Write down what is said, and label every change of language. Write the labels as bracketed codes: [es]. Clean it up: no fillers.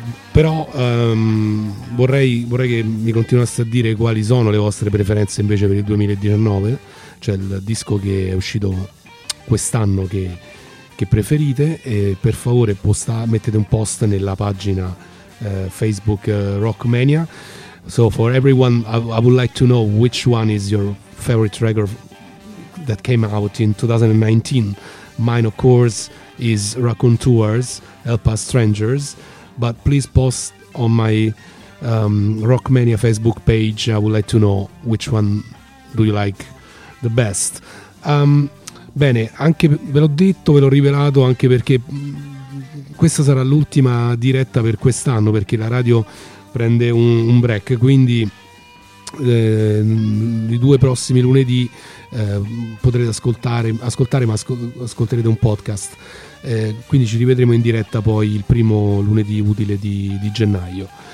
[it] Però vorrei che mi continuaste a dire quali sono le vostre preferenze invece per il 2019, cioè il disco che è uscito quest'anno che preferite, e per favore mettete un post nella pagina Facebook Rockmania. [en] So for everyone, I would like to know which one is your favorite record that came out in 2019. Mine, of course, is Raconteurs, Help Us Strangers, but please post on my Rockmania Facebook page. I would like to know which one do you like the best. [it] Bene, anche ve l'ho detto, ve l'ho rivelato, anche perché questa sarà l'ultima diretta per quest'anno, perché la radio prende un break, quindi i due prossimi lunedì potrete ascolterete un podcast, quindi ci rivedremo in diretta poi il primo lunedì utile di gennaio.